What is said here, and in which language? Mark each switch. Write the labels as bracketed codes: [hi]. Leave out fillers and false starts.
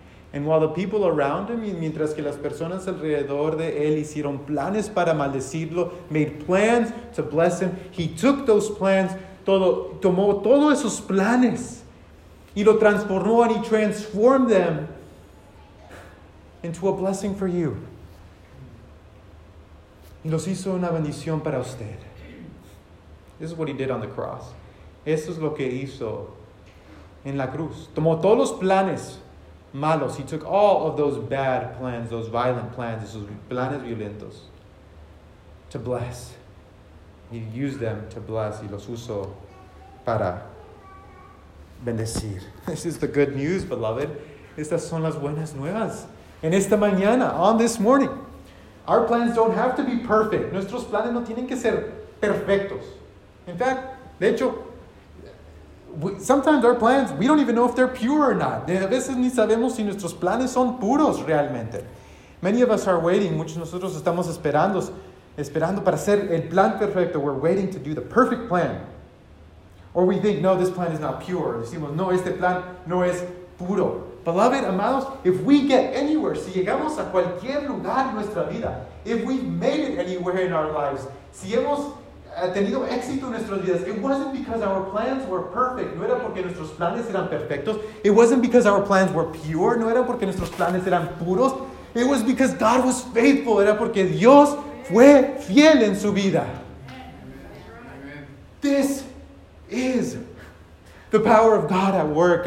[en] And while the people around him, mientras que las personas alrededor de él hicieron planes para maldecirlo, made plans to bless him, he took those plans, tomó todos esos planes, y lo transformó, and he transformed them into a blessing for you. [es] Y los hizo una bendición para usted. [en] This is what he did on the cross. [es] Esto es lo que hizo en la cruz. Tomó todos los planes malos. [en] He took all of those bad plans, those violent plans, those planes violentos, to bless. He used them to bless. Y los usó para bendecir. This is the good news, beloved. Estas son las buenas nuevas. En esta mañana, on this morning, our plans don't have to be perfect. [es] Nuestros planes no tienen que ser perfectos. [en] In fact, de hecho, sometimes our plans, we don't even know if they're pure or not. [es] A veces ni sabemos si nuestros planes son puros realmente. Many of us are waiting. Muchos de nosotros estamos esperando para hacer el plan perfecto. [en] We're waiting to do the perfect plan. Or we think, no, this plan is not pure. [es] Decimos, no, este plan no es puro. Beloved, amados, if we get anywhere, si llegamos a cualquier lugar en nuestra vida, if we've made it anywhere in our lives, si hemos tenido éxito en nuestras vidas, it wasn't because our plans were perfect. No era porque nuestros planes eran perfectos. It wasn't because our plans were pure. No era porque nuestros planes eran puros. It was because God was faithful. Era porque Dios fue fiel en su vida. [en] Amen. This is the power of God at work.